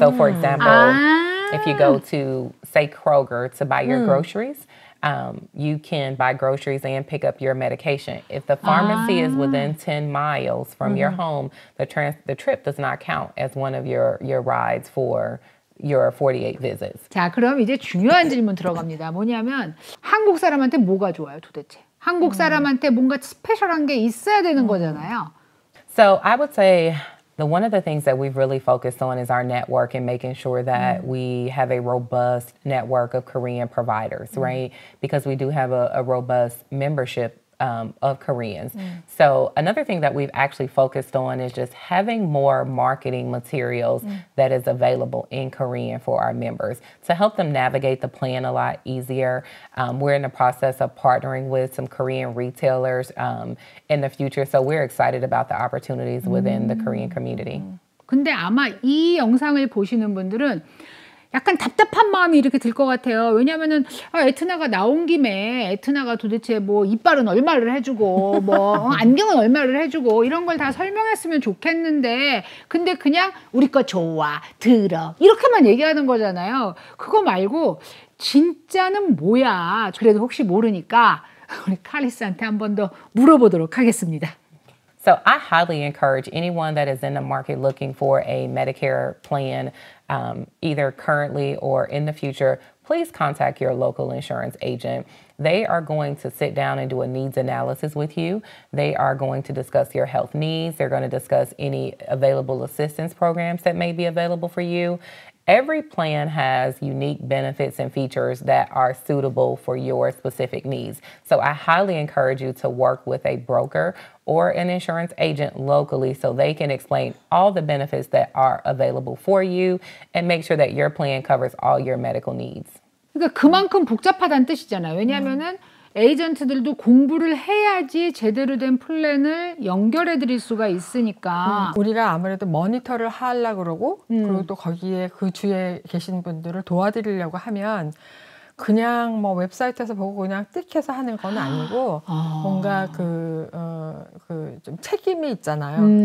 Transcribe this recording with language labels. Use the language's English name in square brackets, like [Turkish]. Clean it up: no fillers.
[English] So for example, if you go to, say, Kroger to buy your groceries, you can buy groceries and pick up your medication. If the pharmacy is within 10 miles from mm-hmm. your home, the trip does not count as one of your rides for your 48 visits. [Korean] 자, 그럼 이제 중요한 질문 들어갑니다. 뭐냐면 한국 사람한테 뭐가 좋아요, 도대체? 한국 사람한테 뭔가 스페셜한 게 있어야 되는 거잖아요. [English] So I would say one of the things that we've really focused on is our network and making sure that we have a robust network of Korean providers, right? Because we do have a robust membership of Koreans. So another thing that we've actually focused on is just having more marketing materials that is available in Korean for our members to help them navigate the plan a lot easier. We're in the process of partnering with some Korean retailers in the future. So we're excited about the opportunities within the Korean community. [Korean] 근데 아마 이 영상을 보시는 분들은 약간 답답한 마음이 이렇게 들 것 같아요. 왜냐면은 에트나가 나온 김에 에트나가 도대체 뭐 이빨은 얼마를 해주고 뭐 안경은 얼마를 해주고 이런 걸 다 설명했으면 좋겠는데 근데 그냥 우리 거 좋아, 들어 이렇게만 얘기하는 거잖아요. 그거 말고 진짜는 뭐야? 그래도 혹시 모르니까 우리 카리스한테 한 번 더 물어보도록 하겠습니다. [English] So I highly encourage anyone that is in the market looking for a Medicare plan, either currently or in the future, please contact your local insurance agent. They are going to sit down and do a needs analysis with you. They are going to discuss your health needs. They're going to discuss any available assistance programs that may be available for you. Every plan has unique benefits and features that are suitable for your specific needs. So I highly encourage you to work with a broker or an insurance agent locally so they can explain all the benefits that are available for you and make sure that your plan covers all your medical needs. [Korean] 그러니까 그만큼 복잡하다는 뜻이잖아요. 왜냐하면은 에이전트들도 공부를 해야지 제대로 된 플랜을 연결해 드릴 수가 있으니까 우리가 아무래도 모니터를 하려고 그러고 그리고 또 거기에 그 주에 계신 분들을 도와드리려고 하면 그냥 뭐 웹사이트에서 보고 그냥 띡해서 하는 건 아니고 뭔가 그 좀 책임이 있잖아요.